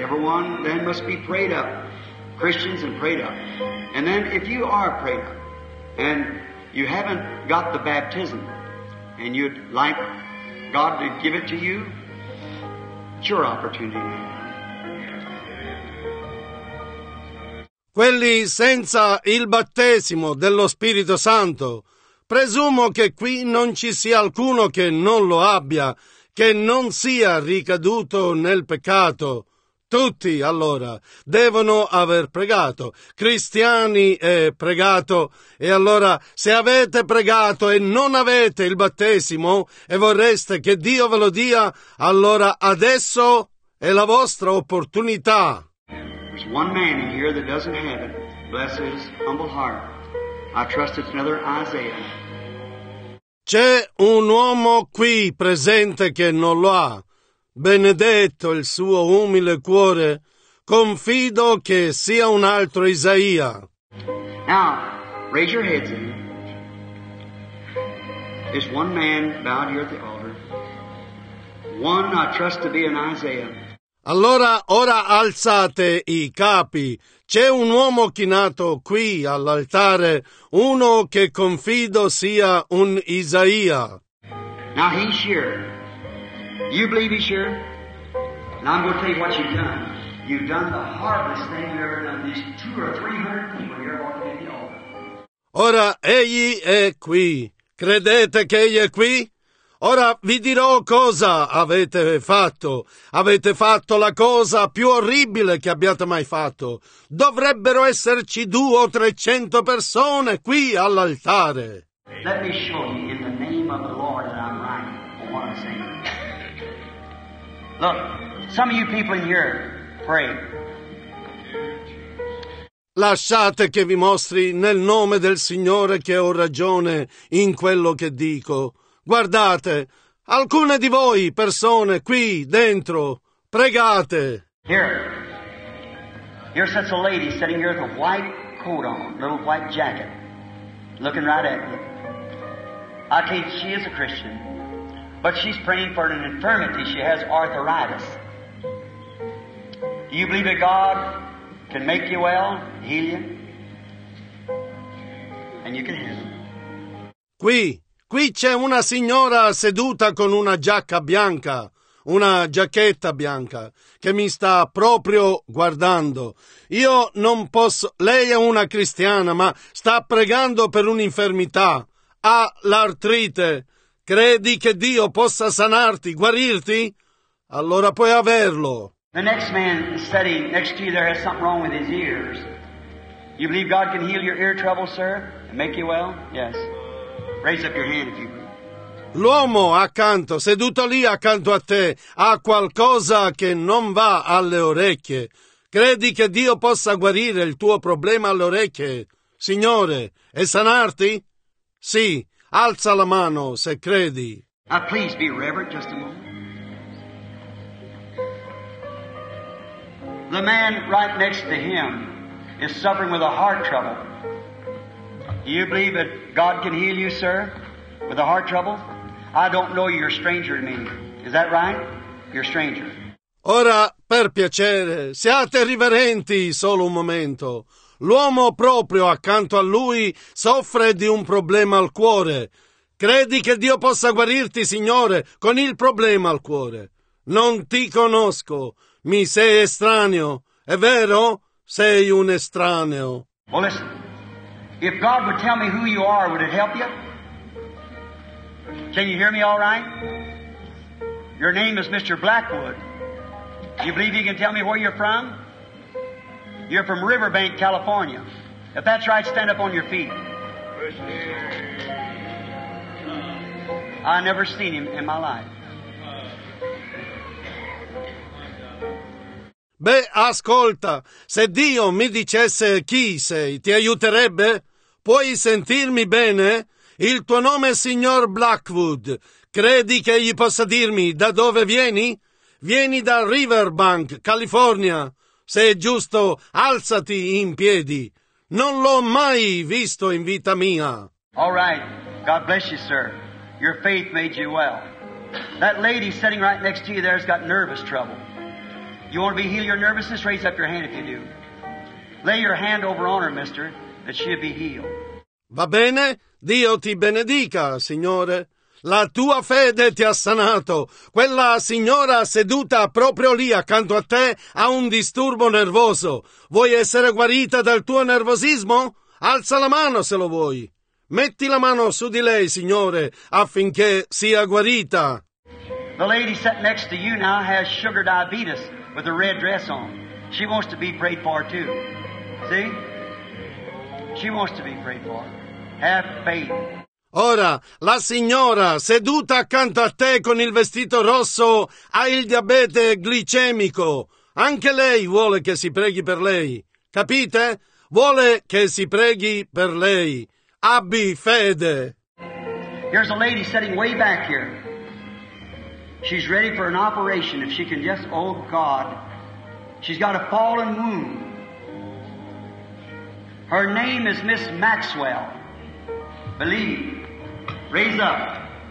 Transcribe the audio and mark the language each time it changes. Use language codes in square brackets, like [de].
[en] Everyone then must be prayed up, Christians and prayed up. And then if you are prayed up and you haven't got the baptism and you'd like God to give it to you, it's your opportunity. [it] Quelli senza il battesimo dello Spirito Santo, presumo che qui non ci sia alcuno che non lo abbia, che non sia ricaduto nel peccato. Tutti, allora, devono aver pregato, cristiani e pregato, e allora se avete pregato e non avete il battesimo e vorreste che Dio ve lo dia, allora adesso è la vostra opportunità. [en] There's one man in here that doesn't have it. Bless his humble heart. I trust it's another Isaiah. [it] C'è un uomo qui presente che non lo ha. Benedetto il suo umile cuore. Confido che sia un altro Isaia. [en] Now, raise your heads in. There's one man bowed here at the altar. One I trust to be an Isaiah. [it] Allora, ora alzate i capi. C'è un uomo chinato qui all'altare, uno che confido sia un Isaia. [en] Now he's here. You believe he's here? Now I'm going to tell you what you've done. You've done the hardest thing you've ever done. These 200 or 300 people here are walking in the altar. [it] Ora, egli è qui. Credete che egli è qui? Ora vi dirò cosa avete fatto. Avete fatto la cosa più orribile che abbiate mai fatto. Dovrebbero esserci 200 o 300 persone qui all'altare. [en] Let me show you in the name of the Lord that I'm right for what I'm saying. Look, some of you people in here pray. [it] Lasciate che vi mostri nel nome del Signore che ho ragione in quello che dico. Guardate, alcune di voi persone qui dentro, pregate. [en] Here. Here sits a lady sitting here with a white coat on, little white jacket, looking right at you. I tell you, she is a Christian, but she's praying for an infirmity. She has arthritis. Do you believe that God can make you well, heal you? And you can heal. [it] Qui. Qui c'è una signora seduta con una giacca bianca, una giacchetta bianca, che mi sta proprio guardando. Io non posso... Lei è una cristiana, ma sta pregando per un'infermità. Ha l'artrite. Credi che Dio possa sanarti, guarirti? Allora puoi averlo. [en] The next man sitting next to you there has something wrong with his ears. You believe God can heal your ear trouble, sir, and make you well? Yes. Raise up your hand if you [it] L'uomo accanto, seduto lì accanto a te, ha qualcosa che non va alle orecchie. Credi che Dio possa guarire il tuo problema alle orecchie, Signore, e sanarti? Sì, alza la mano se credi. [en] Please be reverent just a moment. The man right next to him is suffering with a heart trouble. Do you believe that God can heal you, sir, with a heart trouble? I don't know, you're a stranger to me. Is that right? You're a stranger. [it] Ora, per piacere, siate riverenti solo un momento. L'uomo proprio accanto a lui soffre di un problema al cuore. Credi che Dio possa guarirti, Signore, con il problema al cuore? Non ti conosco. Mi sei estraneo. È vero? Sei un estraneo. [en] Well, listen. If God would tell me who you are, would it help you? Can you hear me all right? Your name is Mr. Blackwood. You believe you can tell me where you're from? You're from Riverbank, California. If that's right, stand up on your feet. I never seen him in my life. [it] Beh, ascolta, se Dio mi dicesse chi sei, ti aiuterebbe? Puoi sentirmi bene? Il tuo nome è signor Blackwood. Credi che egli possa dirmi da dove vieni? Vieni da Riverbank, California. Se è giusto, alzati in piedi. Non l'ho mai visto in vita mia. [en] All right. God bless you, sir. Your faith made you well. That lady sitting right next to you there has got nervous trouble. You want to be healed your nervousness? Raise up your hand if you do. Lay your hand over on her, mister, that she'll be healed. [it] Va bene? Dio ti benedica, signore. La tua fede ti ha sanato. Quella signora seduta proprio lì accanto a te ha un disturbo nervoso. Vuoi essere guarita dal tuo nervosismo? Alza la mano se lo vuoi. Metti la mano su di lei, signore, affinché sia guarita. [en] The lady sitting next to you now has sugar diabetes with a red dress on. She wants to be prayed for too. See? She wants to be prayed for. Have faith. [it] Ora, la signora seduta accanto a te con il vestito rosso ha il diabete glicemico. Anche lei vuole che si preghi per lei. Capite? Vuole che si preghi per lei. Abbi fede. [en] Here's a lady sitting way back here. She's ready for an operation if she can just, oh God. She's got a fallen wound. Her name is Miss Maxwell. Believe. Raise up.